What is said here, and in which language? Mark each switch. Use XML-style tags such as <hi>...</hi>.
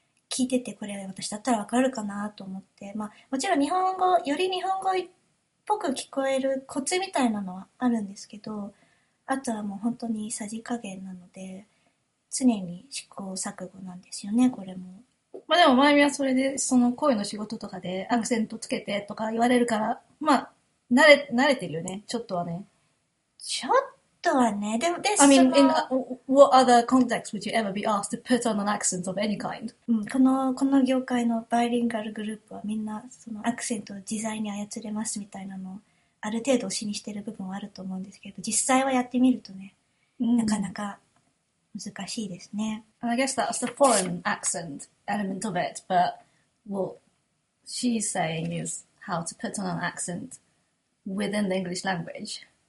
<ja>聞いてて、これ私だったらわかるかなと思って、まあ、もちろん日本語、より日本語っぽく聞こえるコツみたいなのはあるんですけど、あとはもう本当にさじ加減なので、常に試行錯誤なんですよね、これも。まあでも前はそれでその声の仕事とかでアクセントつけてとか言われるから、まあ慣れてるよね、ちょっとはね。ちょっとはね。でもです</ja> <en>ね、 I mean, in what other context would you ever be asked to put on an accent of any kind?</en> <ja>うん、この業界のバイリンガルグループはみんなそのアクセントを自在に操れますみたいなのをある程度推しにしてる部分はあると思うんですけど、実際はやってみるとね、なかなか、うん、難しいですね。</ja> <en>And I guess that's the foreign accent element of it, but what she's saying is how to put on an accent within the English language.</en>